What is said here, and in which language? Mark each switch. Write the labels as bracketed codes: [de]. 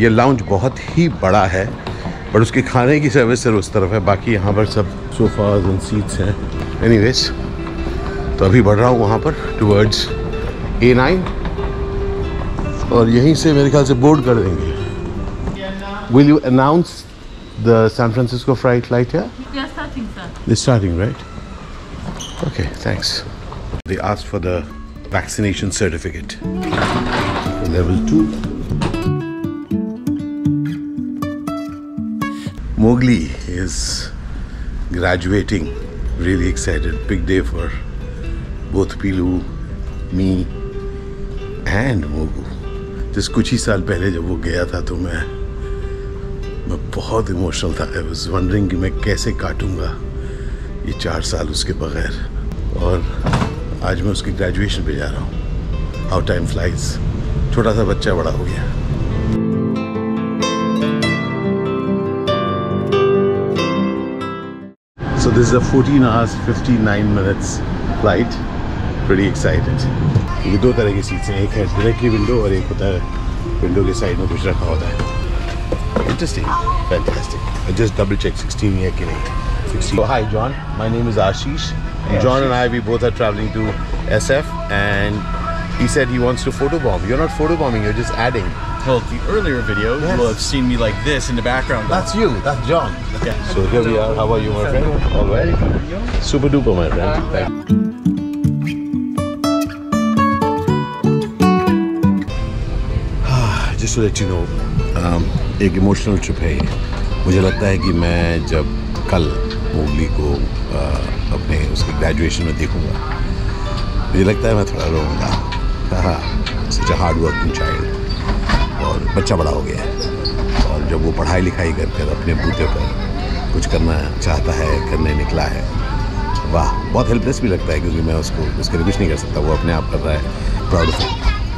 [hi] ये लाउंज बहुत ही बड़ा है, बट उसके खाने की सर्विस सिर्फ उस तरफ है. बाकी यहाँ पर सब सोफाज एंड सीट्स हैं. एनीवेज, तो अभी बढ़ रहा हूँ वहाँ पर टूवर्ड्स A9 और यहीं से मेरे ख्याल से बोर्ड कर देंगे. [en] Will you announce the San Francisco flight here? They are starting, sir. They're starting, right? Okay, thanks. They asked for the vaccination certificate. Level 2. Mowgli is graduating. Really excited. Big day for both Piloo, me and Mogu. [hi] Just kuch hi saal pehle jab wo gaya tha to मैं बहुत emotional था. I was wondering कि मैं कैसे काटूंगा ये 4 साल उसके बगैर. और आज मैं उसकी ग्रेजुएशन पे जा रहा हूँ. How time flies. छोटा सा बच्चा बड़ा हो गया. [en] So So this is a 14 hours, 59 minutes flight. Pretty excited. [hi] ये दो तरह की सीटें, एक है डायरेक्टली विंडो और एक होता है विंडो के साइड में कुछ रखा होता है. [en] Interesting, fantastic. I just double check 16 year के नहीं. So hi John, my name is Ashish. Yeah, John Ashish. And I, we both are traveling to SF, and he said he wants to photobomb. You're not photobombing, you're just adding. Well, the earlier video, yes. You will have seen me like this in the background. That's you, that's John. Yeah. So here we are. How are you, my friend? All right. Super duper, my friend. Thank you. Just to let you know, एक emotional trip है. [hi] मुझे लगता है कि मैं जब कल Mowgli को अपने उसके ग्रेजुएशन में देखूंगा, मुझे लगता है मैं थोड़ा रोऊंगा. सच अ हार्ड वर्किंग चाइल्ड, और बच्चा बड़ा हो गया है, और जब वो पढ़ाई लिखाई करके अपने बूते पर कुछ करना चाहता है, करने निकला है, वाह, बहुत हेल्पलेस भी लगता है, क्योंकि मैं उसको उसके लिए कुछ नहीं कर सकता, वो अपने आप कर रहा है. Proud of him.